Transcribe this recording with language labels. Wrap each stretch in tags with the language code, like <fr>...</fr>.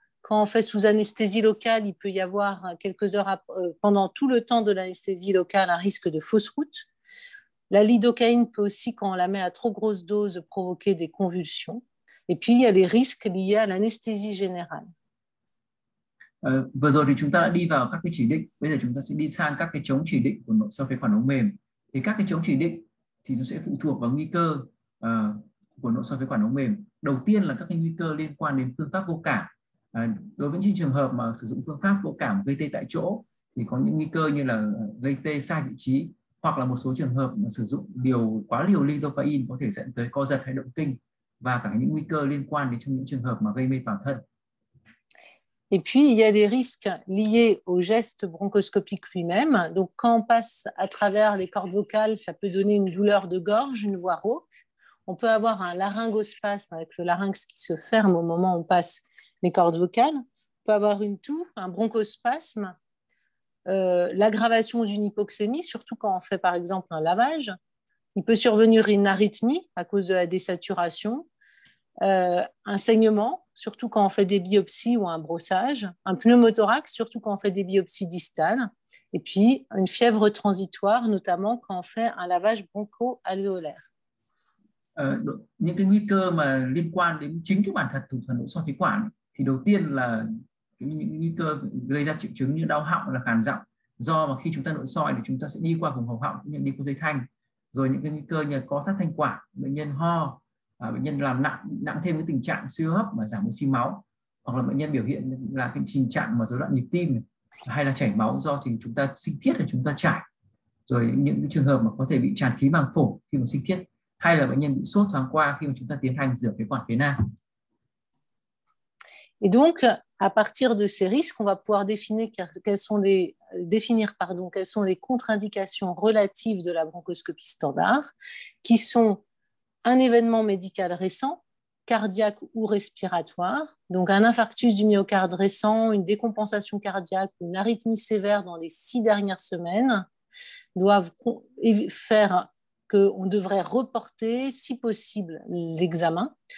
<fr>Quand on fait sous anesthésie locale, il peut y avoir quelques heures pendant tout le temps de l'anesthésie locale un risque de fausse route. La lidocaïne peut aussi, quand on la met à trop grosse dose, provoquer des convulsions. Et puis, il y a les risques liés à l'anesthésie générale.</fr> <vi>Vừa rồi thì chúng ta đã đi vào các cái chỉ định. Bây giờ chúng ta sẽ đi sang các cái chống chỉ định của nội soi phế quản ống mềm. Thì các cái chống chỉ định thì nó sẽ phụ thuộc vào nguy cơ của nội soi phế quản ống mềm. Đầu tiên là các cái nguy cơ liên quan đến phương pháp vô cảm. Đối với những trường hợp mà sử dụng phương pháp vô cảm gây tê tại chỗ thì có những nguy cơ như là gây tê sai vị trí, hoặc là một số trường hợp mà sử dụng quá liều lidocaine có thể dẫn tới co giật hay động kinh, và cả những nguy cơ liên quan đến trong những trường hợp mà gây mê toàn thân.</vi> <fr>Et puis il y a des risques liés au geste bronchoscopique lui-même. Donc quand on passe à travers les cordes vocales, ça peut donner une douleur de gorge, une voix rauque. On peut avoir un laryngospasme avec le larynx qui se ferme au moment où on passe les cordes vocales. On peut avoir une toux, un bronchospasme, l'aggravation d'une hypoxémie, surtout quand on fait par exemple un lavage. Il peut survenir une arythmie à cause de la désaturation, un saignement, surtout quand on fait des biopsies ou un brossage, un pneumothorax, surtout quand on fait des biopsies distales, et puis une fièvre transitoire, notamment quand on fait un lavage broncho-alvéolaire.</fr> <vi>Những cái nguy cơ mà liên quan đến chính cái bản thân thủ thuật nội soi phế quản thì đầu tiên là những nguy cơ gây ra triệu chứng như đau họng, là khàn giọng, Do mà khi chúng ta nội soi thì chúng ta sẽ đi qua vùng hầu họng, đi qua dây thanh, rồi những cái nguy cơ như co thắt thanh quản, bệnh nhân ho, bệnh nhân làm nặng thêm cái tình trạng suy hấp mà giảm oxy máu, hoặc là bệnh nhân biểu hiện là cái tình trạng mà rối loạn nhịp tim hay là chảy máu do thì chúng ta sinh thiết là chúng ta chảy, rồi những trường hợp mà có thể bị tràn khí màng phổi khi mà sinh thiết, hay là bệnh nhân bị sốt thoáng qua khi mà chúng ta tiến hành rửa phế quản phế nang.</vi> <fr>Et donc, à partir de ces risques, on va pouvoir quelles sont les contre-indications relatives de la bronchoscopie standard, qui sont un événement médical récent, cardiaque ou respiratoire, donc un infarctus du myocarde récent, une décompensation cardiaque, une arythmie sévère dans les 6 dernières semaines, doivent faire qu'on devrait reporter, si possible, l'examen.</fr>